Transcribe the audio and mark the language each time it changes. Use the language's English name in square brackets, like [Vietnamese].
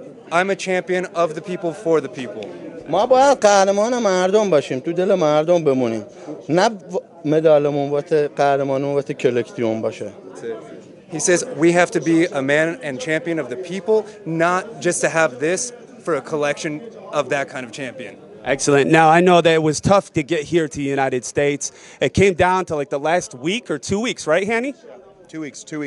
[English] I'm a champion of the people for the people. [Persian] ما باید قهرمان مردم باشیم، تو دل مردم بمونیم. نه مدالمون واسه قهرمانمون واسه کلکسیون باشه. [English] He says we have to be a man and champion of the people, not just to have this for a collection of that kind of champion. Excellent. Now, I know that it was tough to get here to the United States. It came down to like the last week or 2 weeks, right, Hanny? Two weeks.